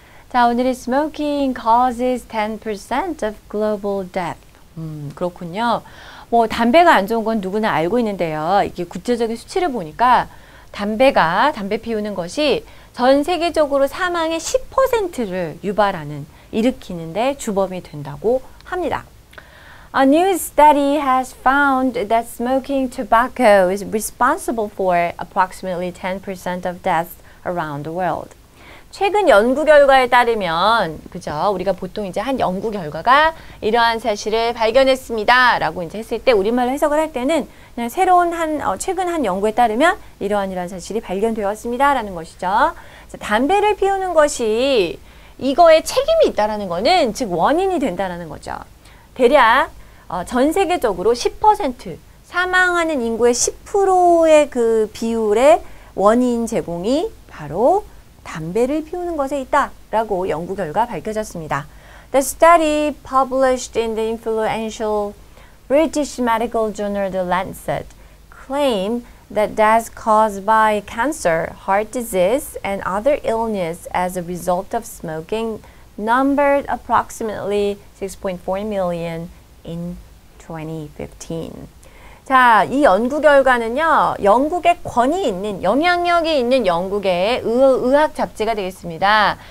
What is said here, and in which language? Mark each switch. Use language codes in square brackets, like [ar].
[ko] 자, 오늘의 [en] smoking causes 10% of global death. [ko] 그렇군요. 뭐 담배가 안 좋은 건 누구나 알고 있는데요. 이게 구체적인 수치를 보니까 담배 피우는 것이 전 세계적으로 사망의 10%를 유발하는, 일으키는데 주범이 된다고 합니다. [en] A new study has found that smoking tobacco is responsible for approximately 10% of deaths around the world. [ko] 최근 연구 결과에 따르면, 그죠? 우리가 보통 이제 한 연구 결과가 이러한 사실을 발견했습니다. 라고 이제 했을 때, 우리말로 해석을 할 때는, 그냥 최근 한 연구에 따르면 이러한 사실이 발견되었습니다. 라는 것이죠. 담배를 피우는 것이 이거에 책임이 있다라는 거는, 즉, 원인이 된다라는 거죠. 대략 전 세계적으로 10% 사망하는 인구의 10%의 그 비율의 원인 제공이 바로 담배를 피우는 것에 있다라고 연구 결과 밝혀졌습니다. [en] The study published in the influential British medical journal The Lancet claimed that deaths caused by cancer, heart disease, and other illness as a result of smoking numbered approximately 6.4 million in 2015. [ko] 자, 이 연구 결과는요, 영국의 권위 있는, 영향력이 있는 영국의 의학 잡지가 되겠습니다.